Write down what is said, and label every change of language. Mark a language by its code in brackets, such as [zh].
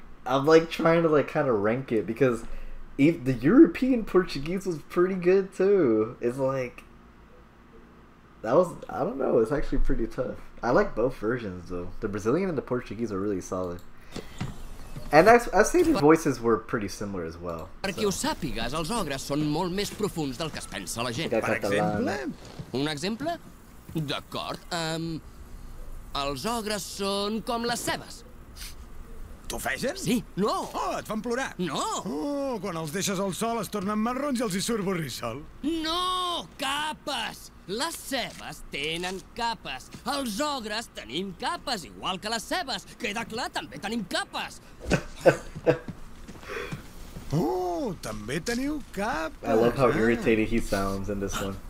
[en] I'm like trying to like kind of rank it because if the European Portuguese was pretty good too. It's like that was I don't know, it's actually pretty tough. I like both versions though. The Brazilian and the Portuguese are really solid. And I say the voices were pretty similar as well. [ca] Perquè ho sàpigues, els ogres són molt més profuns del que es pensa la gent. Per exemple, un exemple? D'acord. Els ogres són com les cebes. T'ofegen? Sí. No. Oh, et fan plorar? No. Oh, quan els deixes al sol es tornen marrons i els hi surt borrissol. No, capes. Les cebes tenen capes. Els ogres tenim capes, igual que les cebes. Queda clar, també tenim capes. Oh, també teniu capes. [en] I love how irritated he sounds in this one.